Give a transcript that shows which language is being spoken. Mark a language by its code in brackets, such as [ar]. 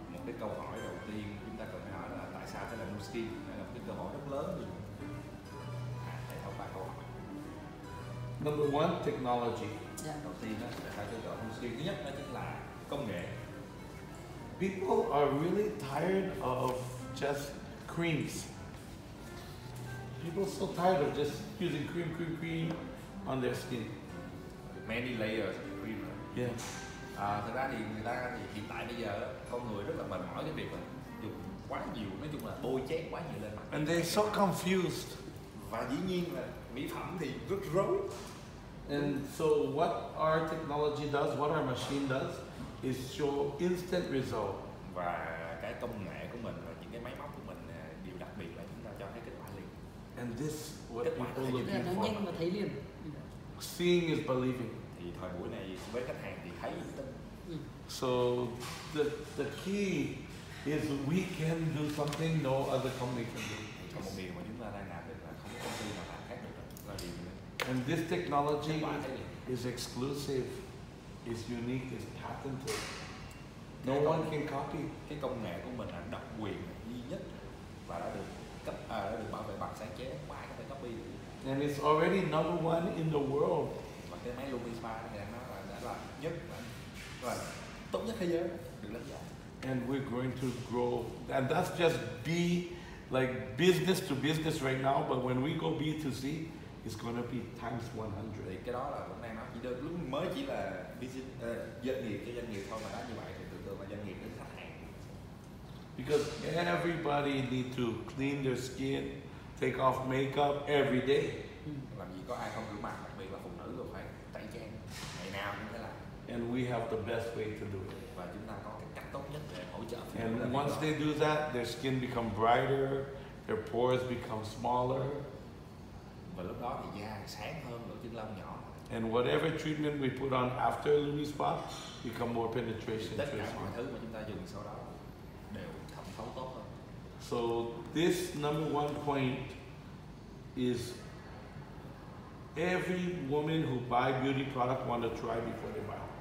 [vi] Một cái câu hỏi đầu tiên chúng ta cần phải hỏi là tại sao cái là new skin, là một cái cơ hội rất lớn. Hãy thông báo câu hỏi. [en] Number one, technology. Yeah. [vi] Đầu tiên đó, tại sao cái gọi new skin? Thứ nhất đó chính là công nghệ. [en] People are really tired of just creams. People are so tired of just using cream on their skin. Many layers of cream. Right? Yeah. [vi] Thật ra thì người ta thì hiện tại bây giờ con người rất là mệt mỏi cái việc mà dùng quá nhiều, nói chung là bôi chét quá nhiều lên mặt. [en] And they're so confused. [vi] Và dĩ nhiên là mỹ phẩm thì rất rối. [en] And so what our technology does, what our machine does, is show instant result. [vi] Và cái công nghệ của mình và những cái máy móc của mình đều đặc biệt là chúng ta cho thấy kết quả liền. [en] And this what [vi] kết quả là nhanh mà thấy liền. [en] Seeing is believing. [vi] Thì thời buổi này với khách hàng thì thấy tin. [en] So the key is we can do something no other company can do. [vi] Còn một điều mà chúng ta đang làm được là không có công ty nào làm khác được, là điều này. [en] And this technology is exclusive, is unique, is patented. No one can copy. [vi] Cái công nghệ của mình là độc quyền duy nhất và đã được bảo vệ bằng sáng chế, không ai có thể copy được. [en] And it's already number one in the world. [vi] Cái máy Lumi Spa này là tốt nhất thế giới, được đánh giá. [en] And we're going to grow, and that's just B, like business to business right now. But when we go B to C, it's gonna be times 100. [vi] Cái đó là lúc này nó chỉ được lúc mới chỉ là business doanh nghiệp thôi, mà đã như vậy thì tưởng tượng là doanh nghiệp đến khách hàng. [en] Because everybody need to clean their skin, take off makeup every day. [vi] Làm gì có ai không rửa mặt, đặc biệt là phụ nữ rồi phải tẩy trang ngày nào cũng thế. Là [en] and we have the best way to do it. [vi] Và chúng ta có cái cách tốt nhất để hỗ trợ. [en] And once they do that, their skin become brighter, their pores become smaller. [vi] Và lúc đó thì da sáng hơn, lỗ chân lông nhỏ. [en] And whatever treatment we put on after Lumi Spa become more penetration. [vi] Tất cả mọi thứ mà chúng ta dùng sau đó đều thẩm thấu tốt hơn. [en] So this number one point is every woman who buy beauty product want to try before they buy.